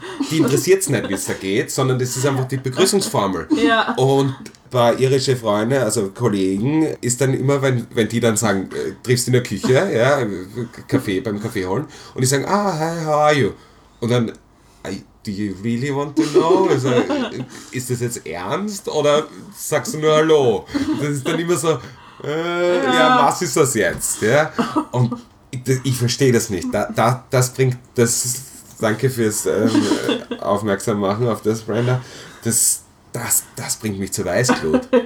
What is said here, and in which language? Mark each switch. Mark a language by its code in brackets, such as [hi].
[de] Die interessiert's nicht, wie es da geht, sondern das ist einfach die Begrüßungsformel. Ja. Und bei irischen Freunden, also Kollegen, ist dann immer, wenn die dann sagen, triffst du in der Küche, ja, Kaffee, beim Kaffee holen, und die sagen, ah, [en] hi, how are you? [de] Und dann, [en] do you really want to know? [de] Also, ist das jetzt ernst, oder sagst du nur hallo? Das ist dann immer so, ja, was ist das jetzt? Ja? Und ich verstehe das nicht. Das bringt das. Danke fürs Aufmerksam machen auf das, Brenda. Das bringt mich zur Weißglut.